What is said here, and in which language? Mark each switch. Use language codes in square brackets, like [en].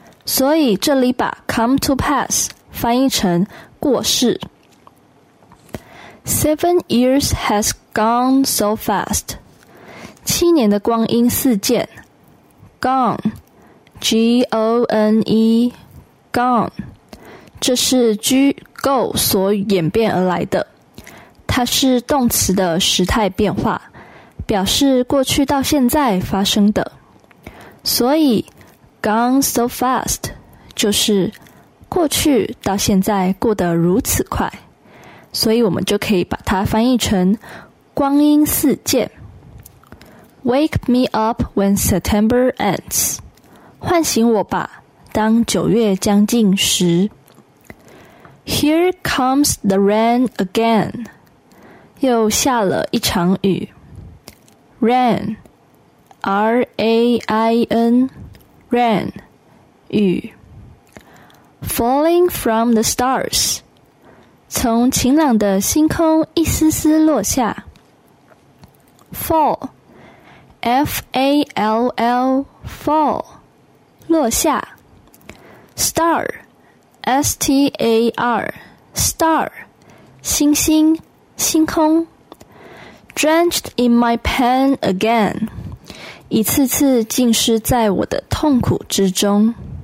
[zh] 所以这里把 come to pass 翻译成过世。 [en] 7 years has gone so fast， [zh] 七年的光阴似箭。 [en] Gone， G-O-N-E， Gone， [zh] 这是 go 所演变而来的，它是动词的时态变化，表示过去到现在发生的。所以 [en] Gone so fast [zh] 就是过去到现在过得如此快，所以我们就可以把它翻译成光阴似箭。 [en] Wake me up when September ends. [zh] 唤醒我吧，当九月将近时。 [en] Here comes the rain again. [zh] 又下了一场雨。 [en] Rain, R-A-I-N, rain, [zh] 雨。 [en] Falling from the stars. [zh] 从晴朗的星空一丝丝落下。 [en] Fall, F-A-L-L, fall, [zh] 落下。 [en] Star, S-T-A-R, star, [zh] 星星星空。 [en] Drenched in my pain again, [zh] 一次次浸湿在我的痛苦之中。